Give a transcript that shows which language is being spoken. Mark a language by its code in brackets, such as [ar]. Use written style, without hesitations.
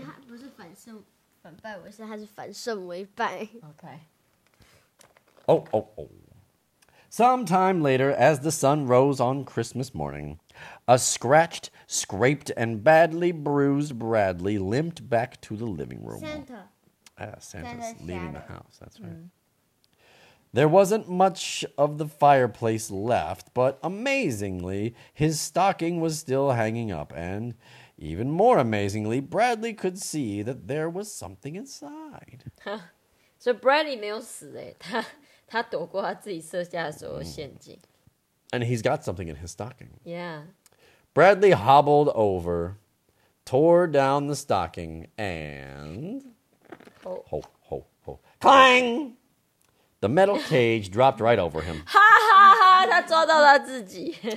[zh] 他不是反胜反败为胜，他是反胜为败。 [en] OK. Oh, oh, oh. Sometime later, as the sun rose on Christmas morning, a scratched, scraped, and badly bruised Bradley limped back to the living room. Santa's leaving the house, that's right. Mm. There wasn't much of the fireplace left, but amazingly, his stocking was still hanging up, and even more amazingly, Bradley could see that there was something inside. [zh] So Bradley 没有死耶，他躲过他自己设下的所有陷阱。 [en] And he's got something in his stocking. Yeah. Bradley hobbled over, tore down the stocking, and... Oh. Ho, ho, ho. Clang! The metal cage dropped right over him. [zh] Ha ha ha! 他抓到他自己.